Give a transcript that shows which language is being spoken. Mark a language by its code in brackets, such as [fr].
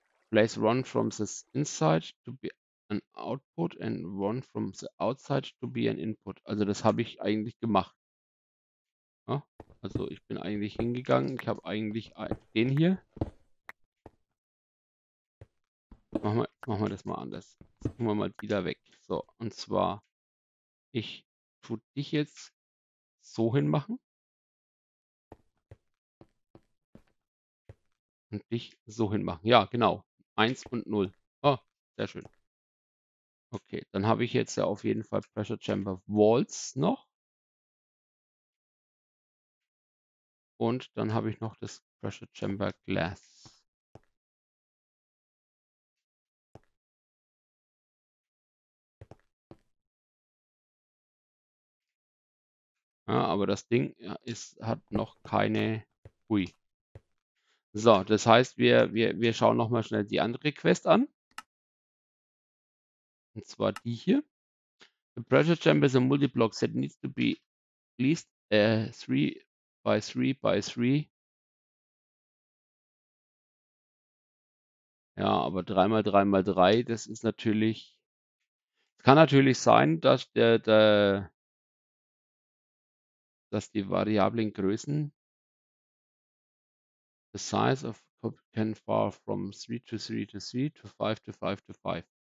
[en] Place one from the inside to be an output and one from the outside to be an input. [de] Also das habe ich eigentlich gemacht. Ja, also ich bin eigentlich hingegangen. Ich habe eigentlich den hier. Machen wir das mal anders. Gehen wir mal wieder weg. So, und zwar, ich tue dich jetzt so hinmachen und dich so hinmachen. Ja, genau. 1 und 0. Oh, sehr schön. Okay, dann habe ich jetzt ja auf jeden Fall Pressure Chamber Walls noch. Und dann habe ich noch das Pressure Chamber Glass. Ja, aber das Ding hat noch keine. Hui. So, das heißt, wir schauen noch mal schnell die andere Quest an. Und zwar die hier. [en] The pressure chamber is a multi-block set needs to be at least 3 by 3 by 3. [de] Ja, aber 3 mal 3 mal 3, das ist natürlich. Es kann natürlich sein, dass dass die variablen Größen [en] the size of can far from 3 to 3 to 3 to 5 [de] to 5 to 5.